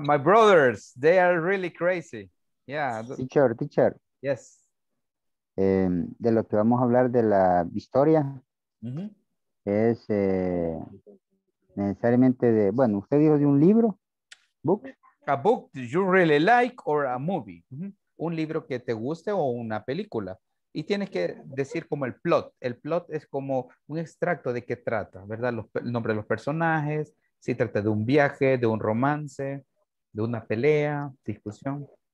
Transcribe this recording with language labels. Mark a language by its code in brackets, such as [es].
[en] My brothers, they are really crazy. Yeah. Teacher. Yes. [es] De lo que vamos a hablar de la historia, mm-hmm. es necesariamente de, bueno, usted dijo de un libro, book. [en] A book that you really like or a movie. Mm-hmm. [es] Un libro que te guste o una película. Y tienes que decir como el plot. El plot es como un extracto de qué trata, ¿verdad? El nombre de los personajes, si trata de un viaje, de un romance, de una pelea, discusión.